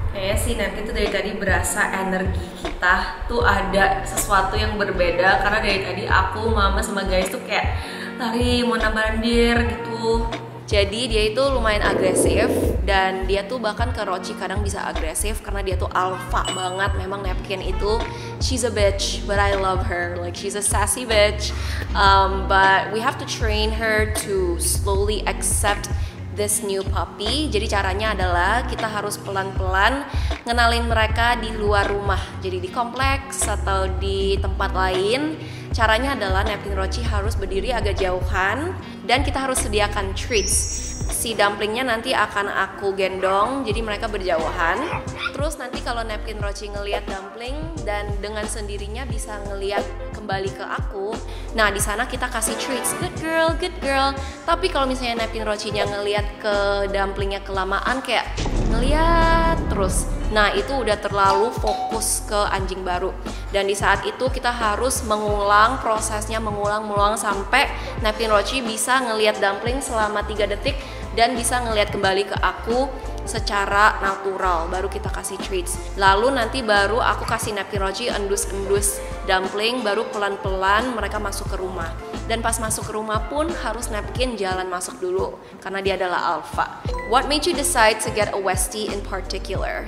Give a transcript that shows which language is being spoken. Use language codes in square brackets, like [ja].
[id] Kayaknya sih Napkin tuh dari tadi berasa energi kita tuh ada sesuatu yang berbeda, karena dari tadi aku, Mama sama guys tuh kayak lari mau nambandir gitu. Jadi dia itu lumayan agresif dan dia tuh bahkan ke Roci kadang bisa agresif karena dia tuh alpha banget. Memang Napkin itu, [en] she's a bitch, but I love her. Like, she's a sassy bitch. But we have to train her to slowly accept this new puppy. [id] Jadi caranya adalah kita harus pelan-pelan ngenalin mereka di luar rumah. Jadi di kompleks atau di tempat lain. Caranya adalah Napkin Roci harus berdiri agak jauhan dan kita harus sediakan treats. Si Dumplingnya nanti akan aku gendong, jadi mereka berjauhan. Terus nanti kalau Napkin Roci ngelihat Dumpling dan dengan sendirinya bisa ngelihat kembali ke aku, nah di sana kita kasih treats, [en] good girl, good girl. [id] Tapi kalau misalnya Napkin Rocinya ngelihat ke Dumplingnya kelamaan, kayak ngelihat terus, nah itu udah terlalu fokus ke anjing baru. Dan di saat itu kita harus mengulang prosesnya, mengulang-ulang sampai Napkin Roci bisa ngelihat Dumpling selama 3 detik dan bisa ngelihat kembali ke aku secara natural, baru kita kasih treats. Lalu nanti baru aku kasih Napkin Roci endus-endus Dumpling, baru pelan-pelan mereka masuk ke rumah. Dan pas masuk ke rumah pun harus Napkin jalan masuk dulu karena dia adalah alpha. [en] What made you decide to get a Westie in particular?